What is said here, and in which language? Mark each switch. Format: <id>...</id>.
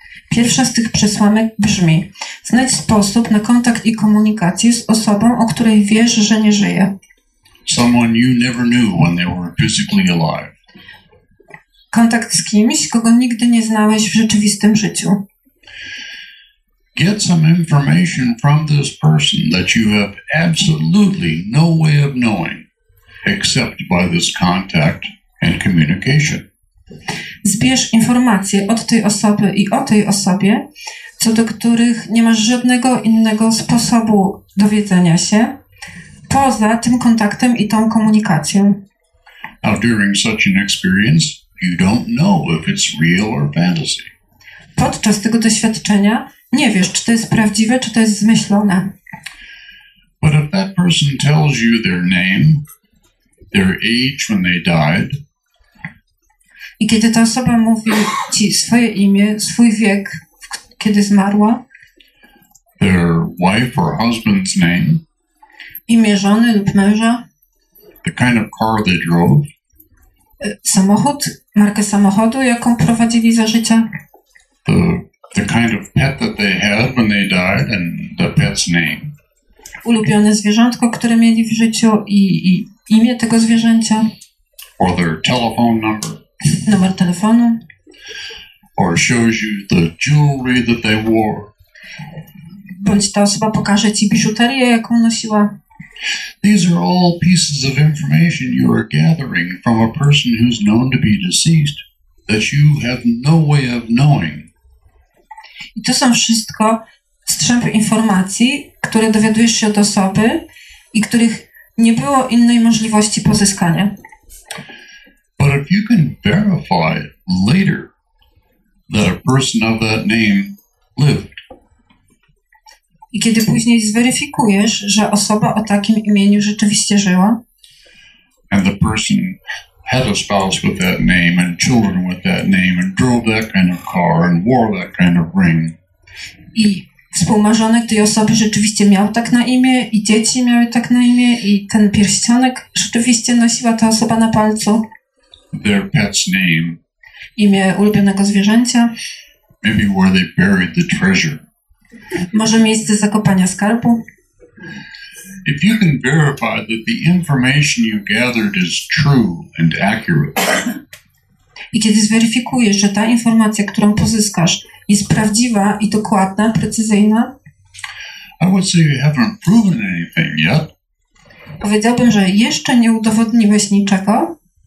<pl>Pierwsza z tych przesłanek brzmi: znajdź sposób na kontakt i komunikację z osobą, o której wiesz, że nie żyje.</pl> <en>Someone you never knew when they were physically alive.</en> <pl>Kontakt z kimś, kogo nigdy nie znałeś w rzeczywistym życiu.</pl> <en>Get some information from this person that you have absolutely no way of knowing, except by this contact and communication.</en> <pl>Zbierz informacje od tej osoby i o tej osobie, co do których nie masz żadnego innego sposobu dowiedzenia się, poza tym kontaktem i tą komunikacją.</pl> <en>Now, during such an experience, you don't know if it's real or fantasy.</en> <pl>Podczas tego doświadczenia nie wiesz, czy to jest prawdziwe, czy to jest zmyślone.</pl> <en>But if that person tells you their name, their age when they died,</en> <pl>i kiedy ta osoba mówi ci swoje imię, swój wiek, kiedy zmarła,</pl> <en>their wife or husband's name,</en> <pl>imię żony lub męża,</pl> <en>the kind of car they drove,</en> <pl>samochód, markę samochodu, jaką prowadzili za życia,</pl> <en>the kind of pet that they had when they died and the pet's name,</en> <pl>ulubione zwierzątko, które mieli w życiu i imię tego zwierzęcia,</pl> <en>or their telephone number,</en> <pl>numer telefonu,</pl> <en>or shows you the jewelry that they wore,</en> <pl>bądź ta osoba pokaże ci biżuterię, jaką nosiła.</pl> <en>These are all pieces of information you are gathering from a person who's known to be deceased that you have no way of knowing.</en> <pl>I to są wszystko strzępy informacji, które dowiadujesz się od osoby i których nie było innej możliwości pozyskania.</pl> <en>But if you can verify later that a person of that name lived.</en> <pl>I kiedy później zweryfikujesz, że osoba o takim imieniu rzeczywiście żyła.</pl> <en>And the person had a spouse with that name and children with that name and drove that kind of car and wore that kind of ring.</en> <pl>I współmarzonek tej osoby rzeczywiście miał tak na imię i dzieci miały tak na imię i ten pierścionek rzeczywiście nosiła ta osoba na palcu.</pl> <en>Their pet's name.</en> <pl>Imię ulubionego zwierzęcia.</pl> <en>Maybe where they buried the treasure.</en> <pl>Może miejsce zakopania skarbu.</pl> <en>If you can verify that the information you gathered is true and accurate.</en> <pl>I kiedy zweryfikujesz, że ta informacja, którą pozyskasz, jest prawdziwa i dokładna, precyzyjna.</pl> <en>I would say you haven't proven anything yet.</en> <pl>Powiedziałbym, że jeszcze nie udowodniłeś niczego.</pl>